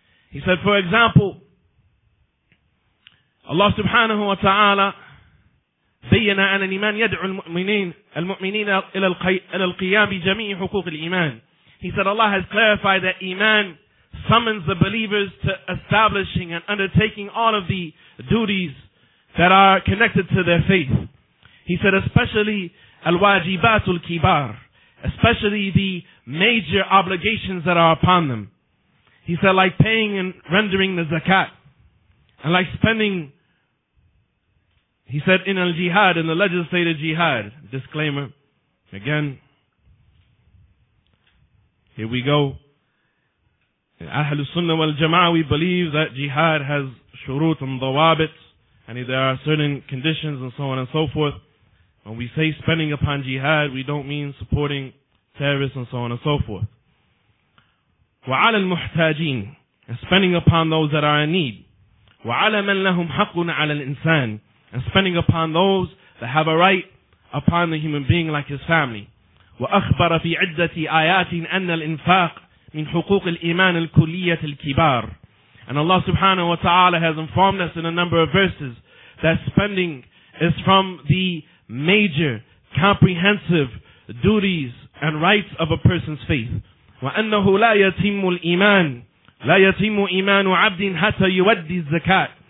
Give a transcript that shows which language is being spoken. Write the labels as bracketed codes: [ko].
[en] He said, for example, Allah subhanahu wa ta'ala [ar] بينا أن الإيمان يدعو المؤمنين إلى القيام بجميع حقوق الإيمان. [en] He said, Allah has clarified that Iman summons the believers to establishing and undertaking all of the duties that are connected to their faith. He said, especially [ar] الواجبات الكبار, [en] especially the major obligations that are upon them. He said, like paying and rendering the zakat, and like spending, he said, in al-jihad, in the legislated jihad. Disclaimer, again, here we go. Ahlul Sunnah wal Jama'ah, we believe that jihad has shurut and dawabit, and there are certain conditions and so on and so forth. When we say spending upon jihad, we don't mean supporting terrorists and so on and so forth. [ar] وعلى المحتاجين, [en] and spending upon those that are in need. [ar] وعلى من لهم حق على الإنسان, [en] and spending upon those that have a right upon the human being like his family. [ar] وأخبر في عدة آيات أن الإنفاق من حقوق الإيمان الكلية الكبار. [en] And Allah subhanahu wa ta'ala has informed us in a number of verses that spending is from the major comprehensive duties and rights of a person's faith. [ar] وَأَنَّهُ لَا يَتِمُّ الْإِيمَانُ لَا يَتِمُّ إِيمَانُ عَبْدٍ حَتَّى يُوَدِّ الزَّكَاةِ.